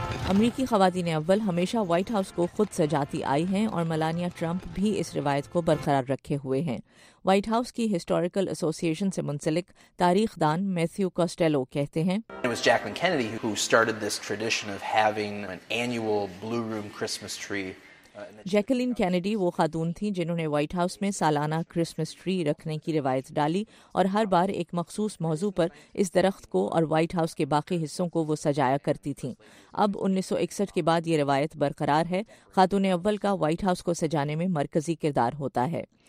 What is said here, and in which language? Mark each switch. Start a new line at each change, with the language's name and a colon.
Urdu: امریکی خواتین اول ہمیشہ وائٹ ہاؤس کو خود سجاتی آئی ہیں, اور میلانیا ٹرمپ بھی اس روایت کو برقرار رکھے ہوئے ہیں. وائٹ ہاؤس کی ہسٹوریکل ایسوسی ایشن سے منسلک تاریخ دان میتھیو کوسٹیلو کہتے ہیں,
English: It was Jacqueline Kennedy who started this tradition of having an annual blue room Christmas tree.
Urdu: Jacqueline Kennedy وہ خاتون تھیں جنہوں نے وائٹ ہاؤس میں سالانہ کرسمس ٹری رکھنے کی روایت ڈالی, اور ہر بار ایک مخصوص موضوع پر اس درخت کو اور وائٹ ہاؤس کے باقی حصوں کو وہ سجایا کرتی تھیں. اب 1961 کے بعد یہ روایت برقرار ہے. خاتون اول کا وائٹ ہاؤس کو سجانے میں مرکزی کردار ہوتا ہے.